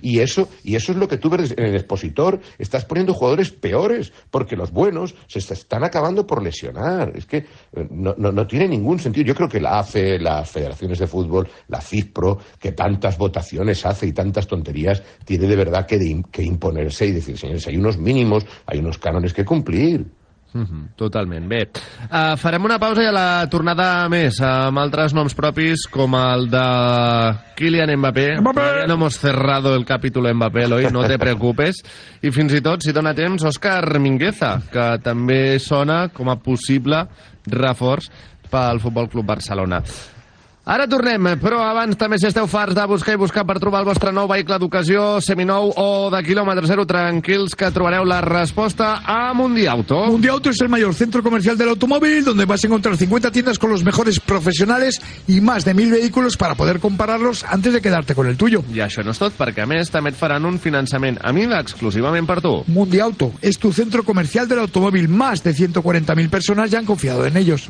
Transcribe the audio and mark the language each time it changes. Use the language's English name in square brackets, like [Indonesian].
[Spanish] Y eso es lo que tú ves en el expositor. Estás poniendo jugadores peores porque los buenos se están acabando por lesionar. Es que no tiene ningún sentido. Yo creo que la AFE, las federaciones de fútbol, la FIFPro, que tantas votaciones hace y tantas tonterías, tiene de verdad que imponerse y decir, señores, hay unos mínimos, hay unos cánones que cumplir. [Catalan] Totalment. Bé, farem una pausa i a la tornada més amb altres noms propis com el de Kylian Mbappé. Mbappé! [Spanish] No hemos cerrado el capítulo Mbappé, Eloi, no te preocupes. [Catalan] I fins i tot, si dona temps, Òscar Mingueza, que també sona com a possible reforç pel Futbol Club Barcelona. Ara tornem, però abans també si esteu farts de buscar i buscar per trobar el vostre nou vehicle d'ocasió, seminou o de quilòmetre zero, tranquils que trobareu la resposta a Mundiauto. [Spanish] Mundiauto es el mayor centro comercial del automóvil donde vas a encontrar 50 tiendas con los mejores profesionales y más de 1.000 vehículos para poder compararlos antes de quedarte con el tuyo. [Catalan] I això no és tot, perquè a més també et faran un finançament a mida exclusivament per tu. [Spanish] Mundiauto es tu centro comercial del automóvil. Más de 140.000 personas ya han confiado en ellos.